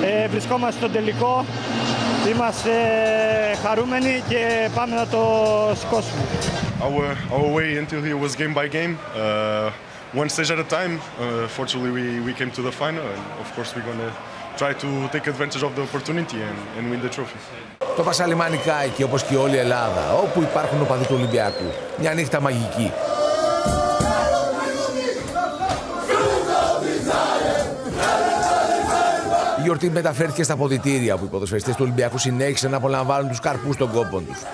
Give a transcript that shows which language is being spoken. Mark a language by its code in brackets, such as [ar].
[el] Βρισκόμαστε στο τελικό. Είμαστε χαρούμενοι και πάμε να το σηκώσουμε. [en] Our way into here was game by game, one stage at a time. Fortunately, we came to the final, and of course, we're gonna try to take advantage of the opportunity and win the trophy. [el] Το Πασαλιμάνι κάει και όπως και όλη η Ελλάδα, όπου υπάρχουν οπαδοί του Ολυμπιακού. Μια νύχτα μαγική. Η γιορτή μεταφέρθηκε στα ποδητήρια που οι ποδοσφαιριστές του Ολυμπιακού συνέχισαν να απολαμβάνουν τους καρπούς των κόπων τους.